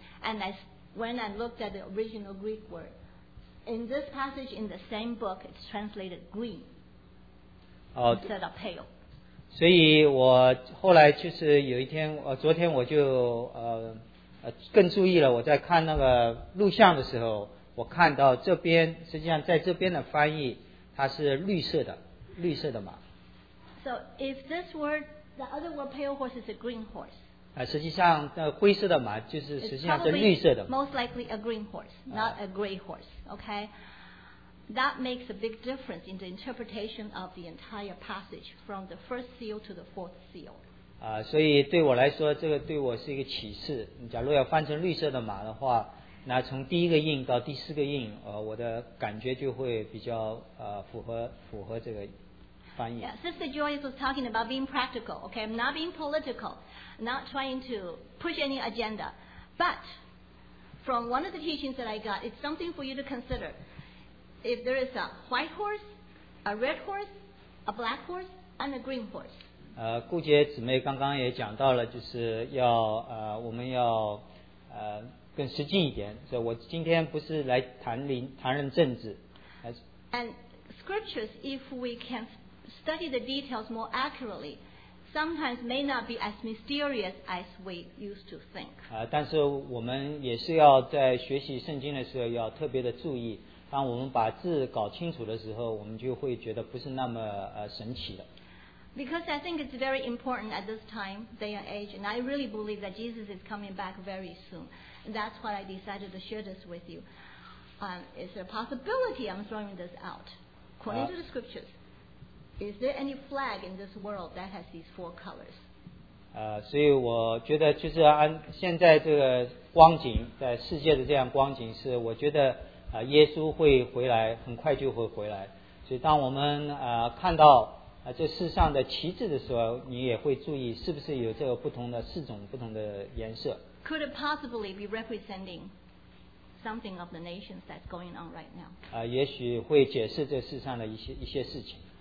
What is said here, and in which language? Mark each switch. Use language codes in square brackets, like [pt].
[en] And I went and looked at the original Greek word. In this passage, in the same book, it's translated green instead of pale. [zh] 所以我后来就是有一天，昨天我就更注意了。我在看那个录像的时候，我看到这边实际上在这边的翻译它是绿色的嘛。 [en] So if this word, the other word, pale horse, is a green horse. [zh] 实际上灰色的马就是实际上是绿色的。 [en] Most likely a green horse, not a gray horse, okay? That makes a big difference in the interpretation of the entire passage from the first seal to the fourth seal. [zh] 所以对我来说这个对我是一个启示，假如要翻成绿色的马的话，那从第一个印到第四个印，我的感觉就会比较符合这个。 [en] Yeah, Sister Joyce was talking about being practical, okay? I'm not being political, not trying to push any agenda. But from one of the teachings that I got, it's something for you to consider. If there is a white horse, a red horse, a black horse, and a green horse. [zh] 顾杰姊妹刚刚也讲到了，就是要我们要更实际一点。所以我今天不是来谈论政治。 [en] And scriptures, if we can. Study the details more accurately. Sometimes may not be as mysterious as we used to think. [zh] 但是我们也是要在学习圣经的时候要特别的注意。当我们把字搞清楚的时候，我们就会觉得不是那么神奇的。 [en] Because I think it's very important at this time, day and age, and I really believe that Jesus is coming back very soon. And that's why I decided to share this with you. Is there a possibility I'm throwing this out? According to the scriptures, is there any flag in this world that has these four colors? [zh] 所以我觉得就是按现在这个光景，在世界的这样光景是，我觉得耶稣会回来，很快就会回来。所以当我们看到这世上的旗帜的时候，你也会注意是不是有这个不同的四种不同的颜色。 [en] Could it possibly be representing something of the nations that's going on right now? [zh] 也许会解释这世上的一些事情。